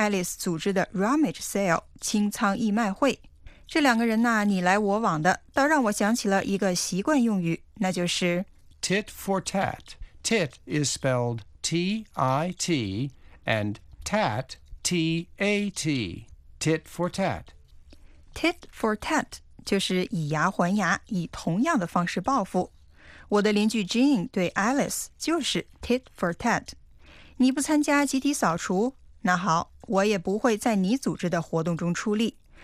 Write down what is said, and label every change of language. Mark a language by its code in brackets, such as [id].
[zh] 人们常说远亲不如近邻,可是邻里间闹矛盾的事儿也不少。这不,我隔壁的邻居Jane就对对面的邻居Alice不满,说Alice总是不参加公共区域的大扫除。Jane还说,为了给Alice一个教训,她决定不参加Alice组织的 [en] Rummage Sale, [zh] 清仓义卖会。这两个人呢,你来我往的,倒让我想起了一个习惯用语,那就是 [en] Tit for tat. Tit is spelled T-I-T and tat, T-A-T. Tit for tat. Tit for tat, [zh] 就是以牙还牙,以同样的方式报复。我的邻居Jean对Alice就是 [en] Tit for tat. [zh] 你不参加集体扫除,那好,我也不会在你组织的活动中出力。